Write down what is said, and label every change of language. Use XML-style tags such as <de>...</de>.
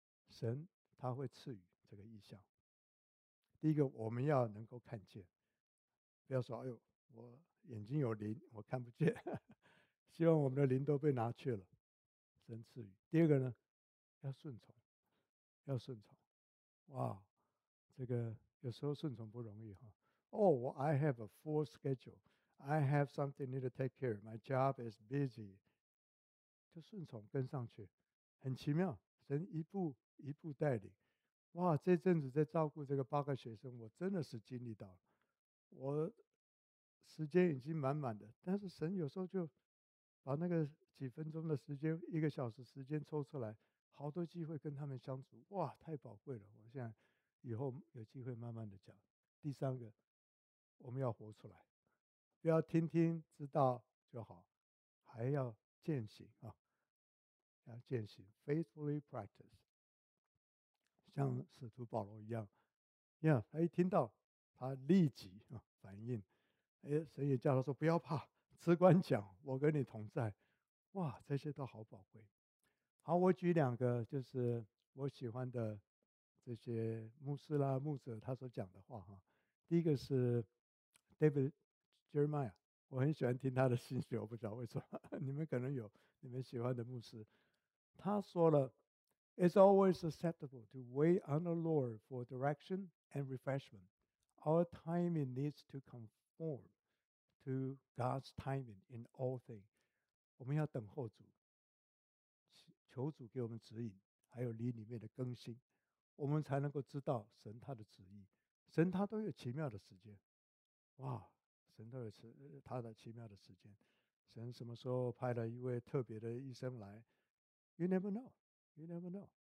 <zh>神他会赐予这个意象，第一个我们要能够看见，不要说哎呦我眼睛有灵我看不见，希望我们的灵都被拿去了，神赐予。第二个呢，要顺从，要顺从。哇，这个有时候顺从不容易。哦，我</zh> <en>I have a full schedule， I have something need to take care， my job is busy，</en> <zh>就顺从跟上去，很奇妙，神一步一步带领。哇，这阵子在照顾这个八个学生，我真的是经历到我时间已经满满的，但是神有时候就把那个几分钟的时间，一个小时时间抽出来，好多机会跟他们相处。哇，太宝贵了。我现在以后有机会慢慢的讲。第三个，我们要活出来，不要听听知道就好，还要践行啊，要践行 faithfully practice， 像使徒保罗一样。他一听到他立即反应，神也叫他说不要怕，只管讲，我跟你同在。哇，这些都好宝贵。好，我举两个就是我喜欢的这些牧师啦、牧者他所讲的话。第一个是 David Jeremiah， 我很喜欢听他的信息，我不知道为什么，你们可能有你们喜欢的牧师。他说了</zh> <en>It's always acceptable to wait on the Lord for direction and refreshment. Our timing needs to conform to God's timing in all things.</en> <zh>我们要等候主，求主给我们指引，还有灵里面的更新，我们才能够知道神他的旨意。神他都有奇妙的时间，哇，神都有他的奇妙的时间。神什么时候派了一位特别的医生来 ？</zh> <en>You never know, you never know。</en>